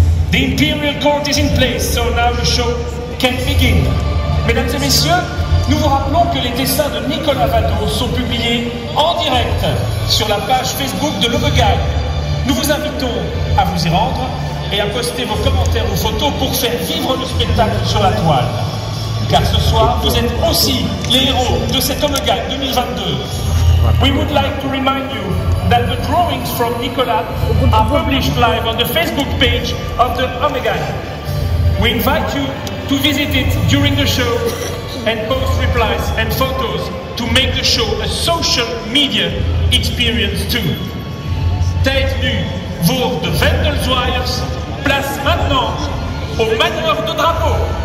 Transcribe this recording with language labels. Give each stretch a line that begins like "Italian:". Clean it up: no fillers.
English: The Imperial Court is in place, so now the show can begin.
French: Mesdames et messieurs, nous vous rappelons que les dessins de Nicolas Vado sont publiés en direct sur la page Facebook de l'Ommegang. Nous vous invitons à vous y rendre et à poster vos commentaires ou photos pour faire vivre le spectacle sur la toile. Car ce soir, vous êtes aussi les héros de cet Ommegang 2022.
English: We would like to remind you that the drawings from Nicolas are published live on the Facebook page of the Ommegang. We invite you to visit it during the show and post replies and photos to make the show a social media experience too.
French: Tête nue, vour de Vendelsweyers, place maintenant au manoir de drapeau.